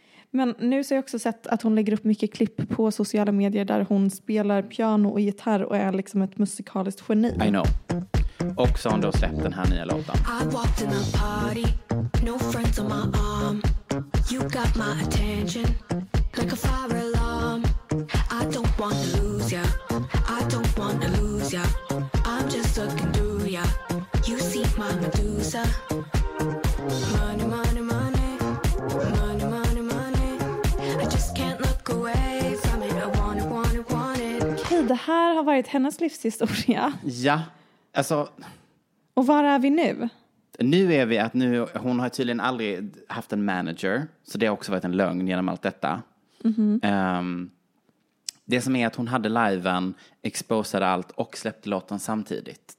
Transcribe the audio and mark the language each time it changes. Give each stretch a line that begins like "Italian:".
Swedish: Men nu så har jag också sett att hon lägger upp mycket klipp på sociala medier där hon spelar piano och gitarr och är liksom ett musikaliskt geni.
English: I know.
Swedish: Och så har hon då släppt den här nya låten.
English: I walked in a party, no friends on my arm. You got my attention, like a fire alarm. I don't want to lose ya, I don't want to lose ya. I'm just looking through ya, you see my Medusa. Money, money, money, money, money, money. I just can't look away from it, I want it, want it, want it.
Swedish: Okej, det här har varit hennes livshistoria. Ja. Alltså, och var är vi nu? Nu är vi att hon har tydligen aldrig haft en manager. Så det har också varit en lögn genom allt detta. Mm-hmm. Det som är att hon hade liven, exposade allt och släppte låten samtidigt.